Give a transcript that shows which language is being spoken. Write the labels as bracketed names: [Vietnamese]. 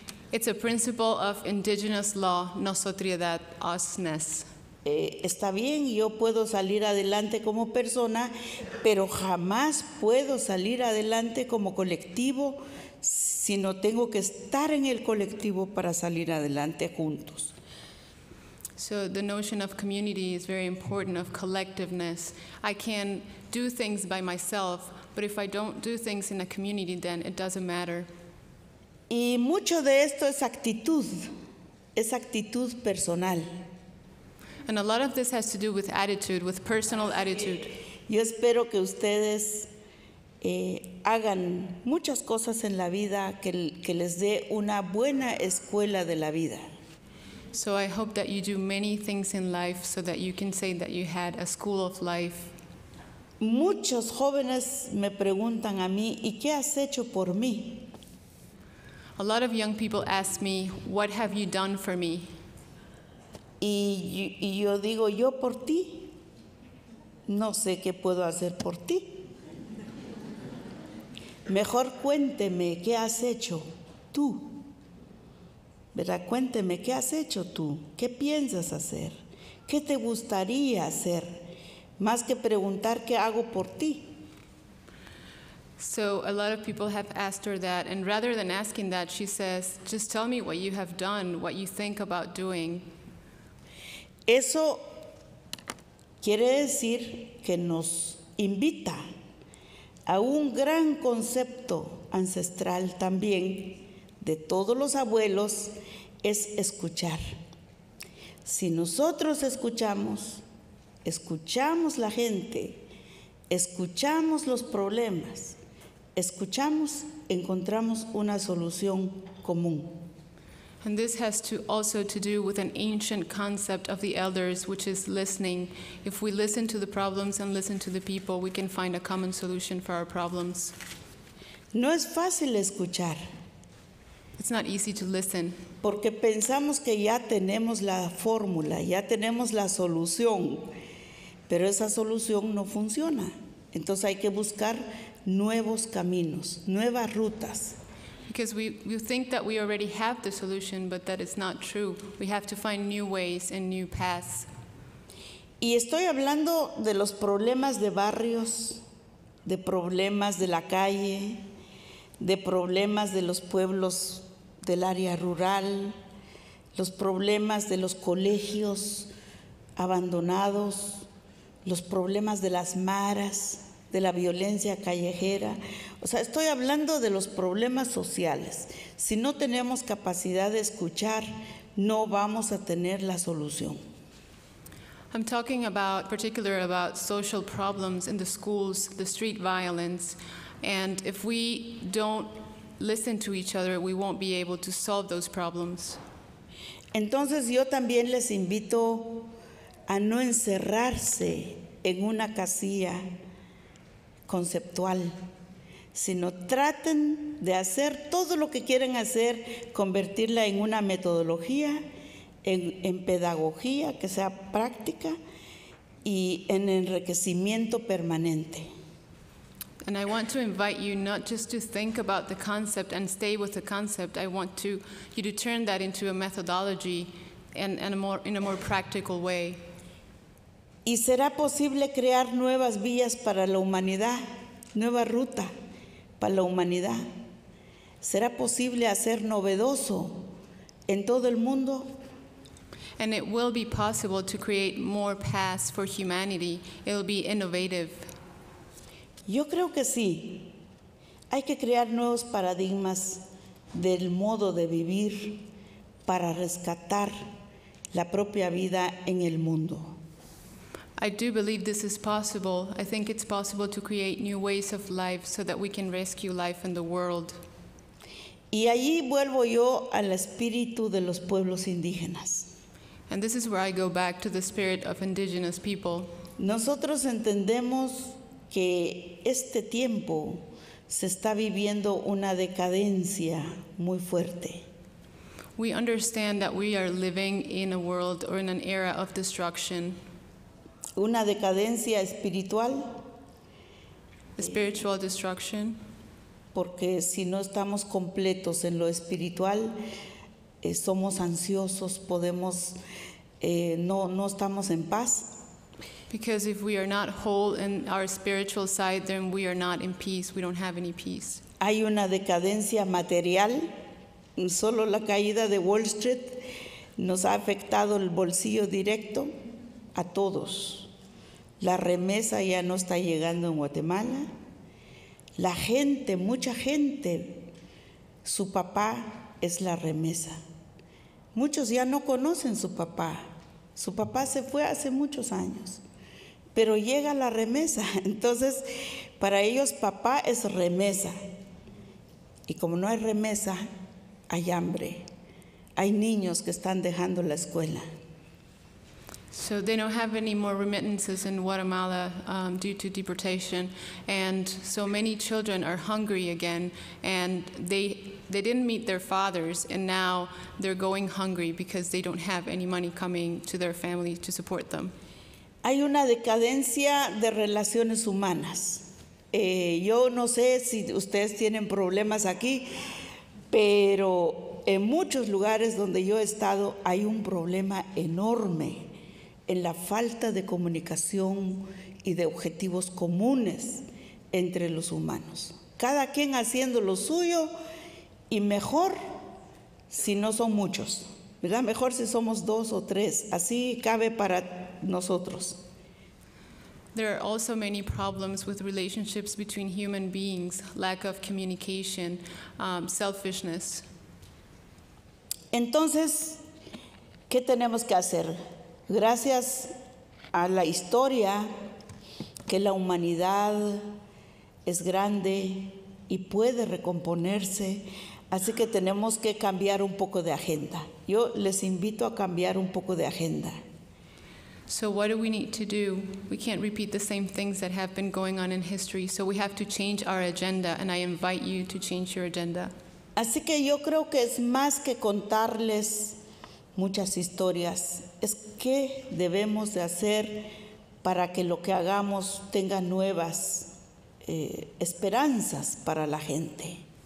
[English] It's a principle of indigenous law, nosotriedad, usness. [Spanish] Está bien, yo puedo salir adelante como persona, pero jamás puedo salir adelante como colectivo, sino tengo que estar en el colectivo para salir adelante juntos. [English] So the notion of community is very important, of collectiveness. I can do things by myself, but if I don't do things in a community, then it doesn't matter. [Spanish] Y mucho de esto es actitud personal. [English] And a lot of this has to do with attitude, with personal attitude. [Spanish] Yo espero que ustedes hagan muchas cosas en la vida que les dé una buena escuela de la vida. [English] So I hope that you do many things in life so that you can say that you had a school of life. [Spanish] Muchos jóvenes me preguntan a mí, ¿y qué has hecho por mí? [English] A lot of young people ask me, what have you done for me? [Spanish] Y yo digo, yo por ti, no sé qué puedo hacer por ti. Mejor cuénteme, ¿qué has hecho tú? ¿Verdad? Cuénteme, ¿qué has hecho tú? ¿Qué piensas hacer? ¿Qué te gustaría hacer? Más que preguntar, ¿qué hago por ti? [English] So a lot of people have asked her that, and rather than asking that, she says, just tell me what you have done, what you think about doing. [Spanish] Eso quiere decir que nos invita a un gran concepto ancestral también de todos los abuelos, es escuchar. Si nosotros escuchamos, escuchamos la gente, escuchamos los problemas, escuchamos, encontramos una solución común. [English] And this has to also to do with an ancient concept of the elders, which is listening. If we listen to the problems and listen to the people, we can find a common solution for our problems. [Spanish] No es fácil escuchar. [English] It's not easy to listen. [Spanish] Porque pensamos que ya tenemos la fórmula, ya tenemos la solución, pero esa solución no funciona. Entonces hay que buscar nuevos caminos, nuevas rutas. [English] Because we think that we already have the solution, but that is not true. We have to find new ways and new paths. [Spanish] Y estoy hablando de los problemas de barrios, de problemas de la calle, de problemas de los pueblos del área rural, los problemas de los colegios abandonados, los problemas de las maras, de la violencia callejera. O sea, estoy hablando de los problemas sociales. Si no tenemos capacidad de escuchar, no vamos a tener la solución. [English] I'm talking about, particularly about social problems in the schools, the street violence. And if we don't listen to each other, we won't be able to solve those problems. [Spanish] Entonces, yo también les invito a no encerrarse en una casilla conceptual, sino traten de hacer todo lo que quieren hacer, convertirla en una metodología, en pedagogía que sea práctica y en enriquecimiento permanente. [English] And I want to invite you not just to think about the concept and stay with the concept. I want to you to turn that into a methodology in a more practical way. [Spanish] Y será posible crear nuevas vías para la humanidad, nueva ruta para la humanidad. Será posible hacer novedoso en todo el mundo. [English] And it will be possible to create more paths for humanity. It will be innovative. [Spanish] Yo creo que sí. Hay que crear nuevos paradigmas del modo de vivir para rescatar la propia vida en el mundo. [English] I do believe this is possible. I think it's possible to create new ways of life so that we can rescue life in the world. [Spanish] Y allí vuelvo yo al espíritu de los pueblos indígenas. [English] And this is where I go back to the spirit of indigenous people. [Spanish] Nosotros entendemos que este tiempo se está viviendo una decadencia muy fuerte. [English] We understand that we are living in a world or in an era of destruction. [Spanish] Una decadencia espiritual. [English] Spiritual destruction. [Spanish] Porque si no estamos completos en lo espiritual, somos ansiosos, podemos, no estamos en paz. [English] Because if we are not whole in our spiritual side, then we are not in peace, we don't have any peace. [Spanish] Hay una decadencia material. Solo la caída de Wall Street nos ha afectado el bolsillo directo a todos. La remesa ya no está llegando en Guatemala. La gente, mucha gente, su papá es la remesa. Muchos ya no conocen su papá. Su papá se fue hace muchos años, pero llega la remesa. Entonces, para ellos papá es remesa. Y como no hay remesa, hay hambre. Hay niños que están dejando la escuela. [English] So they don't have any more remittances in Guatemala due to deportation. And so many children are hungry again. And they didn't meet their fathers. And now they're going hungry because they don't have any money coming to their family to support them. [Spanish] Hay una decadencia de relaciones humanas. Yo no sé si ustedes tienen problemas aquí, pero en muchos lugares donde yo he estado hay un problema enorme en la falta de comunicación y de objetivos comunes entre los humanos. Cada quien haciendo lo suyo y mejor si no son muchos, ¿verdad? Mejor si somos dos o tres, así cabe para nosotros. [English] There are also many problems with relationships between human beings, lack of communication, selfishness. [Spanish] Entonces, ¿qué tenemos que hacer? Gracias a la historia, que la humanidad es grande y puede recomponerse, así que tenemos que cambiar un poco de agenda. Yo les invito a cambiar un poco de agenda. [English] So what do we need to do? We can't repeat the same things that have been going on in history, so we have to change our agenda, and I invite you to change your agenda. [Spanish] Así que yo creo que es más que contarles muchas historias. Es qué debemos de hacer para que lo que hagamos tenga nuevas esperanzas para la gente.